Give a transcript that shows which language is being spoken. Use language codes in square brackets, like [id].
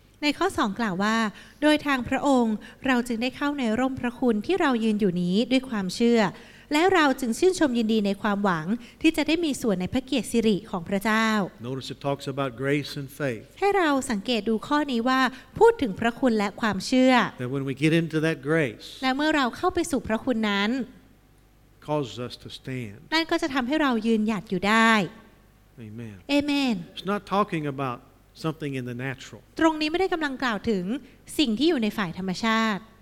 [th] ในข้อ2กล่าวว่าโดยทางพระองค์เราจึงได้เข้าในร่มพระคุณที่เรายืนอยู่นี้ด้วยความเชื่อแล้วเราจึงชื่นชมยินดีในความหวังที่จะได้มีส่วนในพระเกียรติสิริของพระเจ้า [en] Notice it talks about grace and faith. [th] ให้เราสังเกตดูข้อนี้ว่าพูดถึงพระคุณและความเชื่อ [en] That when we get into that grace. [th] และเมื่อเราเข้าไปสู่พระคุณนั้น [en] causes us to stand. [th] นั่นก็จะทำให้เรายืนหยัดอยู่ได้ [en] Amen. Amen. It's not talking about something in the natural. [th] ตรงนี้ไม่ได้กำลังกล่าวถึงสิ่งที่อยู่ในฝ่ายธรรมชาติ